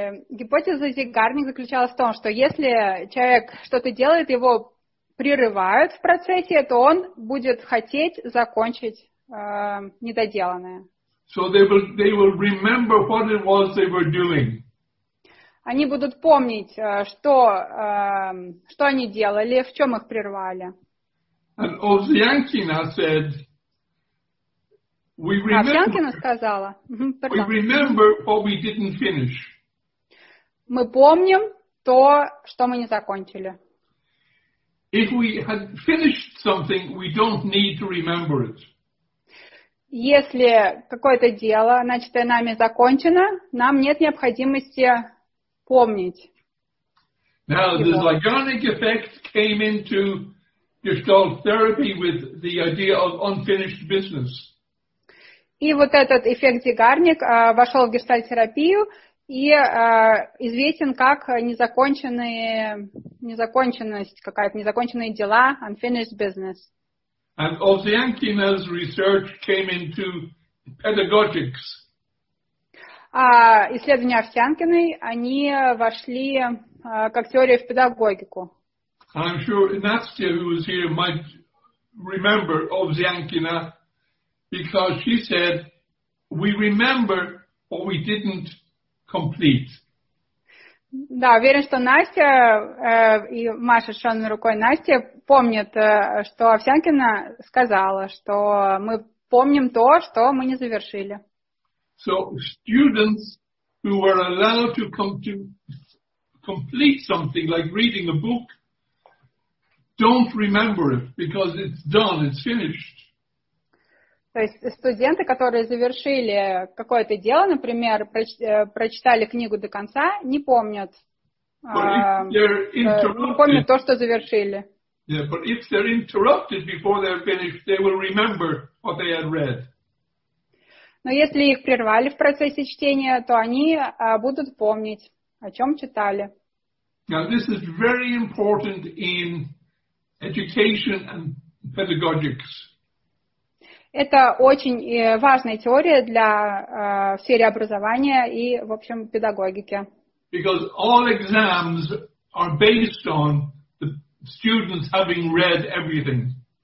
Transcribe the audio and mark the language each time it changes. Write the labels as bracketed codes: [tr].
[ru] Гипотеза Зейгарник заключалась в том, что если человек что-то делает, его прерывают в процессе, то он будет хотеть закончить недоделанное. [en] So they will remember what it was they were doing. [ru] Они будут помнить, что они делали, в чем их прервали. [en] And Ovsyankina said, we remember what we didn't finish. [ru] Мы помним то, что мы не закончили. [en] If we had finished something, we don't need to remember it. [ru] Если какое-то дело, начатое нами, закончено, нам нет необходимости помнить. [en] Now, the Zeigarnik effect came into Gestalt therapy with the idea of unfinished business. [ru] И вот этот эффект Зейгарник вошел в гештальт-терапию и известен как незаконченность какая-то, незаконченные дела, [en] unfinished business. And Ovsyankina's research came into pedagogics. [ru] Исследования Овсянкиной, они вошли как теория в педагогику. [en] I'm sure Nastya, who was here, might remember Ovsyankina, because she said, we remember what we didn't complete. [ru] Да, уверен, что Настя и Маша с шарной рукой Настя помнят, что Овсянкина сказала, что мы помним то, что мы не завершили. [en] So students who were allowed to complete something, like reading a book, don't remember it, because it's done, it's finished. [ru] То есть студенты, которые завершили какое-то дело, например, прочитали книгу до конца, не помнят, то, что завершили. [en] Yeah, but if they're interrupted before they're finished, they will remember what they had read. [ru] Но если их прервали в процессе чтения, то они будут помнить, о чем читали. [en] Now this is very important in education and pedagogics. [ru] Это очень важная теория для в сфере образования и, в общем, педагогики. [en] Because all exams are based on the students having read everything.